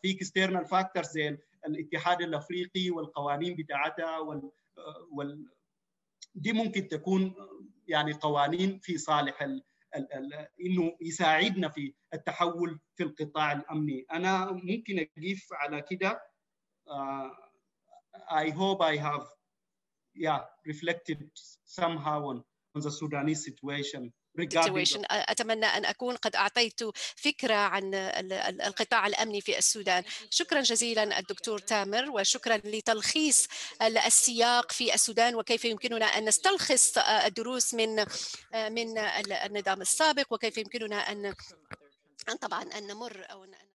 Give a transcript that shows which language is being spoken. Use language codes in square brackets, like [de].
[ar] في اكسترنال فاكتورز زي الاتحاد الافريقي والقوانين بتاعتها دي ممكن تكون يعني قوانين في صالح انه يساعدنا في التحول في القطاع الامني. انا ممكن اقف على كده. [en] I hope I have reflected somehow on the Sudanese situation. [ar] أتمنى أن أكون قد أعطيت فكرة عن القطاع الأمني في السودان. شكرا جزيلا الدكتور تامر, وشكرا لتلخيص السياق في السودان وكيف يمكننا أن نستلخص الدروس من النظام السابق وكيف يمكننا أن طبعا أن نمر أو أن